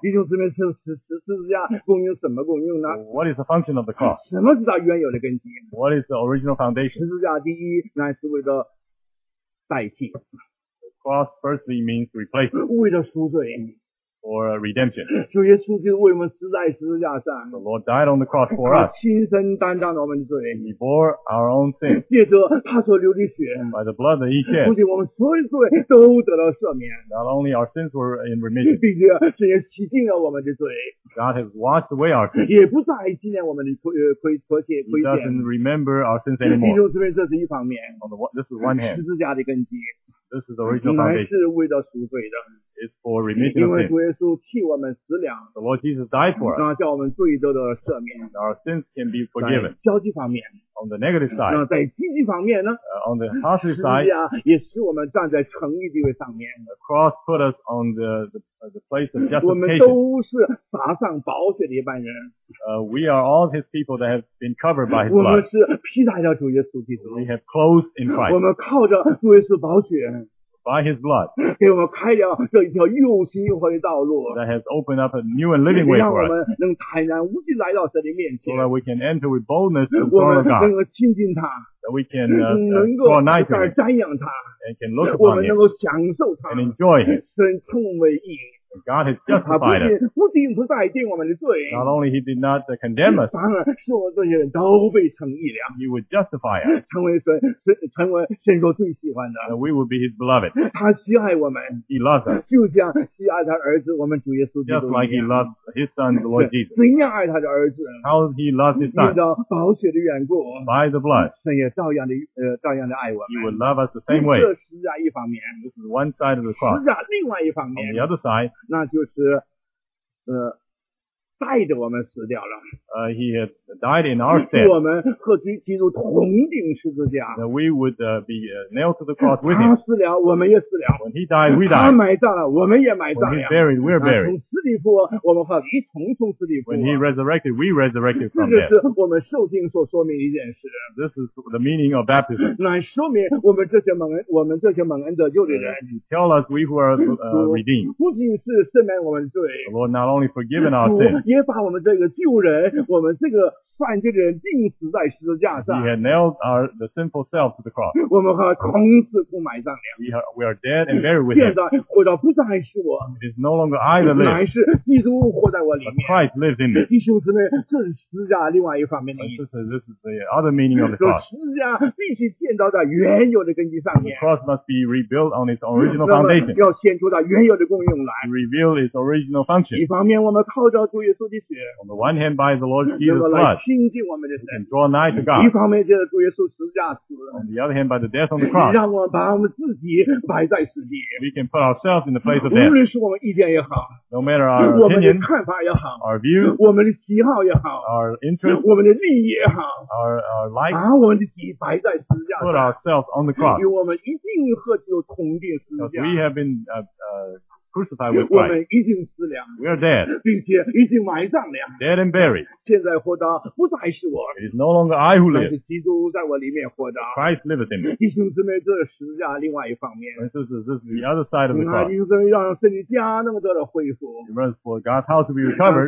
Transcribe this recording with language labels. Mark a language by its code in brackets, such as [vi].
[zh] 弟兄姊妹，十字架功用什么功用呢？ [en] What is the function of the cross? [zh] 什么是它原有的根基？ [en] What is the original foundation? [zh] 十字架第一乃是为了代替。 [en] The cross firstly means replace. [zh] 为了赎罪。 [en] Or redemption. [zh] 主耶稣基督为我们死在十字架上。 [en] The Lord died on the cross for us. [zh] 他亲身担当了我们的罪。 [en] He bore our own sin. [zh] 借着他所流的血。 [en] By the blood that he shed. [zh] 不仅我们所有罪都得了赦免。 [en] Not only our sins were in remission. [zh] 并且这也洗净了我们的罪。 [en] God has washed away our sins. [zh] 也不再纪念我们的亏欠。 [en] He doesn't remember our sins anymore. [zh] 弟兄姊妹，这是一方面。 [en] This is one hand. [zh] 十字架的根基。 [en] This is the original foundation. [zh] 是为了赎罪的。 [en] It's for remission of sin. [zh] 因为主耶稣替我们死了。 [en] The Lord Jesus died for us. [zh] 那叫我们罪得的赦免。 [en] Our sins can be forgiven. [zh] 在消极方面。 [en] On the negative side. [zh] 那在积极方面呢？ [en] On the positive side. [zh] 是啊，也使我们站在诚义地位上面。 [en] The cross put us on the place of justification. [zh] 我们都是撒上宝血的一般人。 [en] We are all his people that have been covered by his blood. [zh] 我们是披戴着主耶稣基督。 [en] We have clothed in Christ. [zh] 我们靠着主耶稣宝血。 [en] By his blood. [zh] 给我们开了这一条又新又活的道路。 [en] That has opened up a new and living way for us. [zh] 让我们能坦然无惧来到神的面前。 [en] So that we can enter with boldness to the throne of God. [zh] 我们能够亲近他。 [en] That we can draw nigh to him. [zh] 能够瞻仰他。 [en] And can look upon him. [zh] 我们能够享受他。 [en] And enjoy him. [zh] 神称为义。 [en] God has justified us. [zh] 不仅不再定我们的罪。 [en] Not only he did not condemn us. [zh] 反而使我们这些人都被称义了。 [en] He would justify us. [zh] 成为神所最喜欢的。 [en] And we would be his beloved. [zh] 他喜爱我们。 [en] He loves us. [zh] 就像喜爱他儿子我们主耶稣基督一样。 [en] Just like he loves his son, the Lord Jesus. [zh] 怎样爱他的儿子。 [en] How he loves his son. [zh] 因着宝血的缘故。 [en] By the blood. [zh] 神也照样的爱我们。 [en] He would love us the same way. [zh] 这是在一方面。 [en] This is one side of the cross. [zh] 是在另外一方面。 [en] On the other side, [zh] 那就是带着我们死掉了。 [en] He had died in our stead. [zh] 我们和基督同钉十字架。 [en] That we would be nailed to the cross with him. [zh] 他死了，我们也死了。 [en] When he died, we died. [zh] 他埋葬了，我们也埋葬了。 [en] When he buried, we are buried. [zh] 从死里复活，我们和一同从死里复活。 [en] When he resurrected, we resurrected from [zh] death. 这是我们受浸所说明一件事。 [en] This is the meaning of baptism. [zh] 那说明我们这些蒙恩，我们这些蒙恩得救的人。 [en] Tell us we who are redeemed. [zh] 不仅是赦免我们罪。 [en] The Lord not only forgiven our sins. [zh] 也把我们这个旧人，我们这个犯罪的人钉死在十字架上。 [en] He had nailed the sinful self to the cross. [zh] 我们和同死同埋葬了。 [en] We are dead and buried with him. [zh] 现在活着不再是我。 [en] It is no longer I that live. [zh] 乃是基督活在我里面。 [en] But Christ lives in me. [zh] 弟兄姊妹，这是十字架另外一方面的意思。 [en] This is the other meaning of the cross. [zh] 十字架必须建造在原有的根基上面。 [en] The cross must be rebuilt on its original foundation. [zh] 要显出它原有的功用来。 [en] Reveal its original function. [zh] 一方面，我们靠着主耶稣的血。 [en] On the one hand, by the Lord Jesus' blood. [zh] 亲近我们的神 [en] draw nigh to God. [zh] 一方面就是主耶稣十字架死了 [en] On the other hand, by the death on the cross, [zh] 让我们把我们自己摆在死地 [en] We can put ourselves in the place of death. [zh] 无论是我们意见也好 [en] No matter our opinion, [zh] 我们的看法也好 [en] Our view, [zh] 我们的喜好也好 [en] Our interest, [zh] 我们的利益也好 [en] Our life, [zh] 把我们的己摆在十字架 [en] Put ourselves on the cross. [zh] 与我们一定和基督同钉十字架 [en] We have been crucified with Christ. [zh] 我们已经死了 [en] We are dead. [zh] 并且已经埋葬了 [en] Dead and buried. [zh] 现在活着不再是我 [en] It is no longer I who live. [zh] 但是基督在我里面活着 [en] Christ liveth in me. [zh] 弟兄姊妹这是十字架另外一方面 [en] This is the other side of the cross. [zh] 弟兄姊妹让圣灵家能够得到恢复 [en] It runs for God's house to be recovered.